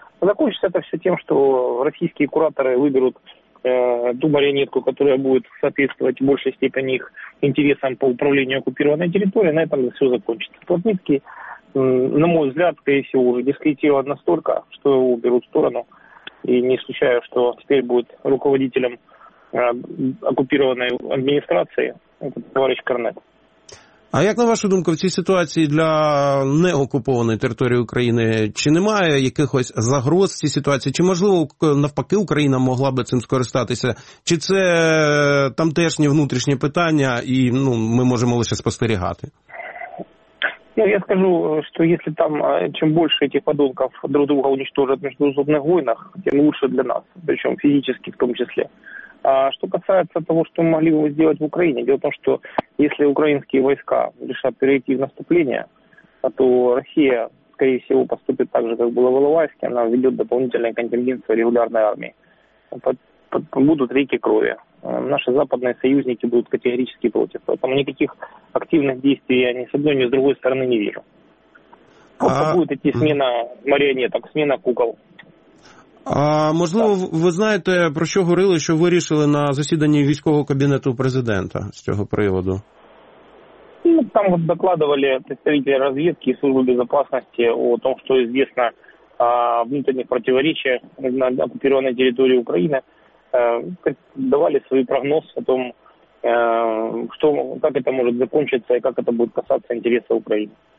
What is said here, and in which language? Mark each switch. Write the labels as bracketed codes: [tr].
[ru] Закончится это все тем, что российские кураторы выберут ту марионетку, которая будет соответствовать в большей степени их интересам по управлению оккупированной территорией. На этом все закончится. Плотницкий, на мой взгляд, скорее всего, уже дискредитирован настолько, что его уберут в сторону. И не исключаю, что теперь будет руководителем оккупированной администрации товарищ Корнет. [uk] А як на вашу думку, в цій ситуації для неокупованої території України чи немає якихось загроз в цій ситуації? Чи, можливо, навпаки, Україна могла би цим скористатися? Чи це тамтешні внутрішні питання і ми можемо лише спостерігати? Ну, я скажу, що якщо там чим більше цих подонків [ru] друг друга уничтожать [uk] між зубних війнах, тим краще для нас, причому фізично в тому числі. [ru] А что касается того, что мы могли бы сделать в Украине, дело в том, что если украинские войска решат перейти в наступление, то Россия, скорее всего, поступит так же, как было в Иловайске, она введет дополнительный контингент своей регулярной армии. Будут реки крови. Наши западные союзники будут категорически против. Поэтому никаких активных действий я ни с одной, ни с другой стороны не вижу. Будет идти смена марионеток, смена кукол. [uk] А можливо, ви знаєте, про що говорили, що вирішили на засіданні військового кабінету президента з цього приводу? Ну, там докладували представителі розвідки і служби безпеки о тому, що відомо о внутрішніх протиріччях на окупованій території України, давали свій прогноз о тому, що як це може закінчитися і як це буде касатися інтересів України.